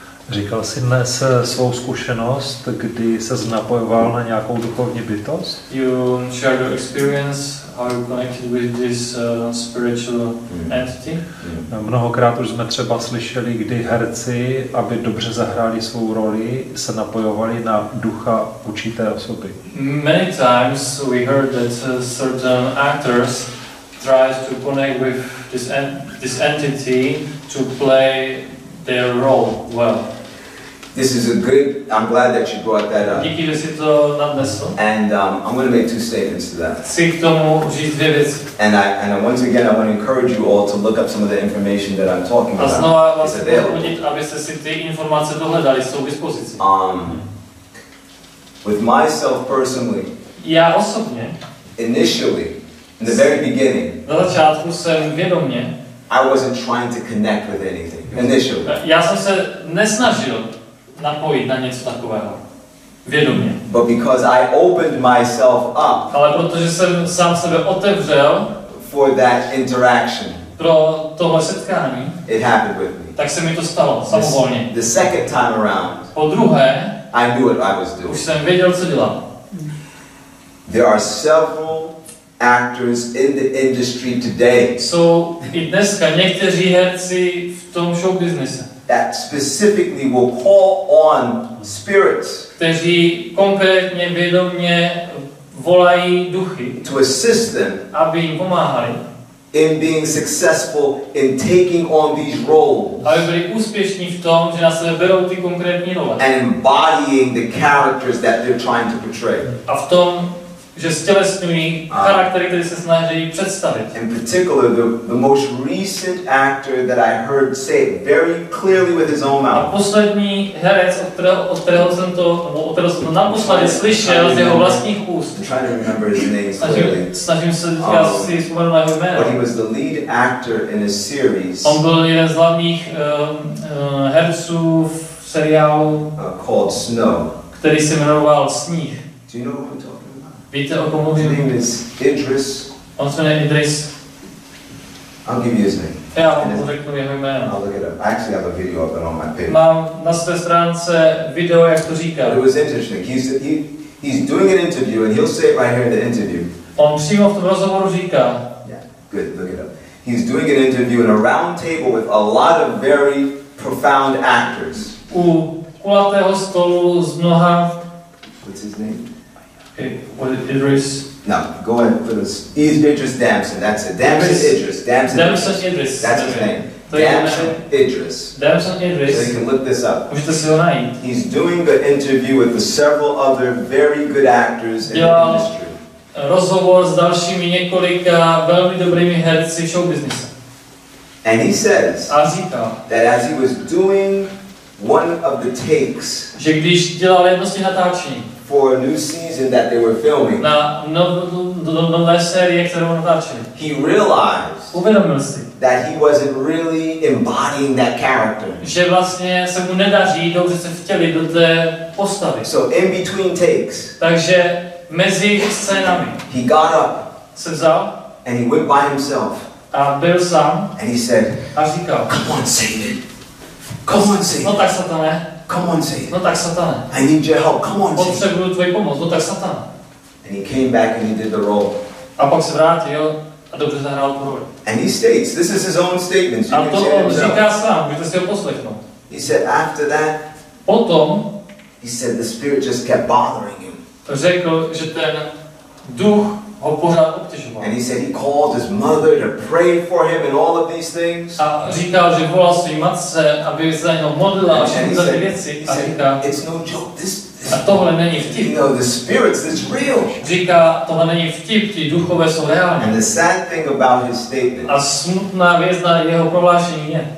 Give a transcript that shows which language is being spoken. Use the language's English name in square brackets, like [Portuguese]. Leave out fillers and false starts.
[Czech] Říkal jsi dnes svou zkušenost, kdy se napojoval na nějakou duchovní bytost? [English] You shared your experience, how you connected with this spiritual entity. [Czech] Mnohokrát už jsme třeba slyšeli, kdy herci, aby dobře zahráli svou roli, se napojovali na ducha určité osoby. [English] Many times we heard that certain actors tries to connect with this entity to play their role well. This is a good. I'm glad that you brought that up. [Czech] Díky, že jsi to nadnesl. [English] And I'm going to make two statements to that. [Czech] Chci k tomu říct dvě věci. [English] And once again, I want to encourage you all to look up some of the information that I'm talking about. [Czech] A znova vás chci, abyste si ty informace dohledali, jsou k dispozici. [English] With myself personally. [Czech] Já osobně. [English] Initially, in the very beginning. [Czech] Na začátku jsem vědomě. [English] I wasn't trying to connect with anything initially. [Czech] Já jsem se nesnažil napojit na něco takového vědomě. [English] But because I opened myself up. [Czech] Ale protože jsem sám sebe otevřel [English] for that interaction. [Czech] Pro tohle setkání. [English] It happened with me. [Czech] Tak se mi to stalo samovolně. [English] The second time around. [Czech] Po druhé. [English] I knew what I was doing. [Czech] Už jsem věděl, co dělám. [English] There are several actors in the industry today. [Czech] So, i dneska někteří herci v tom show businessu. [English] That specifically will call on spirits. [Czech] Kteří konkrétně vědomě volají duchy. [English] To assist them. [Czech] Aby jim pomáhali. [English] In being successful in taking on these roles. [Czech] Aby byli úspěšní v tom, že na sebe berou ty konkrétní role. [English] And embodying the characters that they're trying to portray. [Czech] A v tom že stělesňují charaktery, které se snaží představit. [English] In particular, the most recent actor that I heard say very clearly with his own mouth. [Czech] A poslední herec, od kterého jsem to, nebo od kterého jsem to naposledy slyšel z jeho vlastních úst. [English] I'm trying to remember his name clearly. [Czech] Snažím se si vzpomenout na jeho jméno. [English] But he was the lead actor in a series. [Czech] On byl jeden z hlavních herců v seriálu [English] called Snow. [Czech] Který se jmenoval Sníh. [English] Do you know who talks? [Czech] Víte, o komu mluvím? [English] His name is Idris. [Czech] On se jmenuje Idris. [English] I'll give you his name. [Czech] Já mu řeknu jeho jméno. [English] I'll look it up. I actually have a video of it on my page. [Czech] Mám na své stránce video, jak to říká. [English] But it was interesting. He's doing an interview and he'll say it right here in the interview. [Czech] On přímo v tom rozhovoru říká. [English] Yeah, good, look it up. He's doing an interview in a round table with a lot of very profound actors. [Czech] U kulatého stolu s mnoha. [English] What's his name? Okay, what is Idris? No, go ahead for this. He's Idris Damson, that's it. Damson Idris. Idris. That's his name. Damson Idris. Damson Idris. So you can look this up. [Czech] Můžete si ho najít. [English] He's doing an interview with several other very good actors in the industry. [Czech] Rozhovor s dalšími několika velmi dobrými herci show business. [English] And he says [Czech] a říká, [English] that as he was doing one of the takes, [Czech] že když dělal jedno z těch natáčení, [English] for a new season that they were filming. [Czech] Na nové série, kterou natáčeli. [English] He realized. [Czech] Uvědomil si. [English] That he wasn't really embodying that character. [Czech] Že vlastně se mu nedaří dobře se vtělit do té postavy. [English] So in between takes. [Czech] Takže mezi scénami. [English] He got up. [Czech] Se vzal. [English] And he went by himself. [Czech] A byl sám. [English] And he said. [Czech] A říkal. [English] Come on, Satan. Come on, Satan. [Czech] No tak Satane. [English] Come on, Satan. [Czech] No tak Satane. [English] I need your help. Come on, Satan. [Czech] Potřebuju tvoji pomoc. No tak Satane. [English] And he came back and he did the role. [Czech] A pak se vrátil a dobře zahrál tu roli. [English] And he states, this is his own statement. [Czech] A to on říká sám, můžete si ho poslechnout. [English] He said after that. [Czech] Potom. [English] He said the spirit just kept bothering him. [Czech] Řekl, že ten duch ho pořád obtěžoval. [English] And he said he called his mother to pray for him and all of these things. [Czech] A říkal, že volal své matce, aby za něho modlila a všechny věci. A říká, [English] it's no joke. This [Czech] a tohle není vtip. [English] You know, the spirits, it's real. [Czech] Říká, tohle není vtip, ty duchové jsou reální. [English] And the sad thing about his statement, [Czech] a smutná věc na jeho prohlášení je,